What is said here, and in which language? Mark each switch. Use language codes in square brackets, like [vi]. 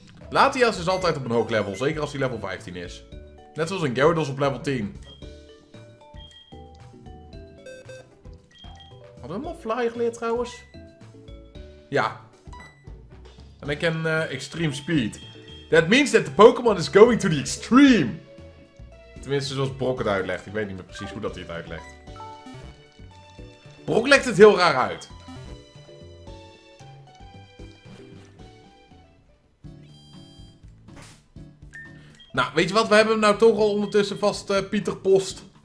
[nl] Latias is altijd op een hoog level, zeker als hij level 15 is. Net zoals een Gyarados op level 10. Hadden we hem al Fly geleerd trouwens? Ja. En ik ken Extreme Speed. [en] That means that the Pokémon is going to the extreme! [nl] Tenminste, zoals Brock het uitlegt. Ik weet niet meer precies hoe dat hij het uitlegt. Brock legt het heel raar uit. Nou, weet je wat? We hebben hem nou toch al ondertussen vast Pieter Post.